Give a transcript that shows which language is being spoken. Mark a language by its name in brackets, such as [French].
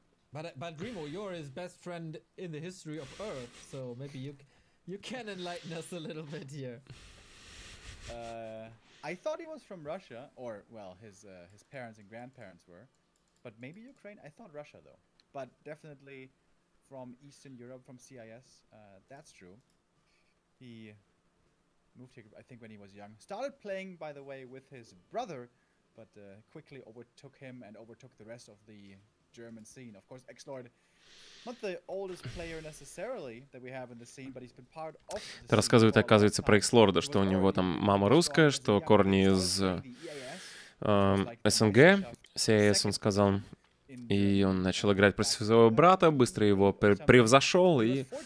[Russian] Бальдримо, ты его лучший друг в истории Земли, так что, может быть, ты можешь нас немного осветить здесь. Я думал, он был из России, или, ну, его родители и родители были. Но, может быть, Украина? Я думал, Россия, но, конечно, из Восточной Европы, из CIS, это правда. Он... [English] moved here, I think, when he was young. Started playing, by the way, with his brother, but quickly overtook him and overtook the rest of the German scene. Of course, X-Lord, not the oldest player necessarily that we have in the scene, but he's been part of the scene. [Russian] Это рассказывает, оказывается, про X-Lord'а, что у него там мама русская, что корни из СНГ, CIS, он сказал. И он начал играть против своего брата, быстро его превзошел, и...